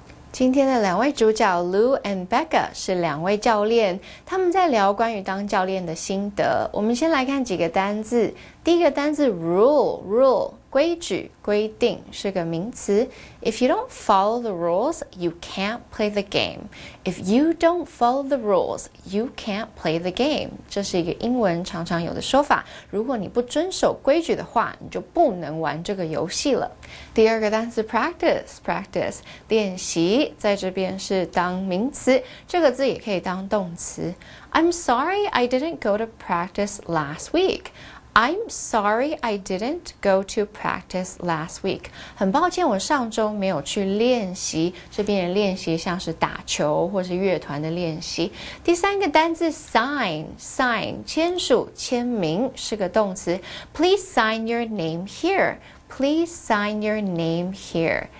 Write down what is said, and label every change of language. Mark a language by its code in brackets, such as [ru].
[zh] 今天的两位主角 Lou and Becca 是两位教练，他们在聊关于当教练的心得。我们先来看几个单字。第一个单字 rule 规矩、规定是个名词。 [en] If you don't follow the rules, you can't play the game. If you don't follow the rules, you can't play the game. [zh] 这是一个英文常常有的说法。如果你不遵守规矩的话，你就不能玩这个游戏了。第二个单字 practice 练习，在这边是当名词，这个字也可以当动词。 [en] I'm sorry I didn't go to practice last week. I'm sorry I didn't go to practice last week. [zh] 很抱歉我上周没有去练习，这边的练习像是打球或是乐团的练习。第三个单字 sign, 签署、签名是个动词。 [en] Please sign your name here. Please sign your name here.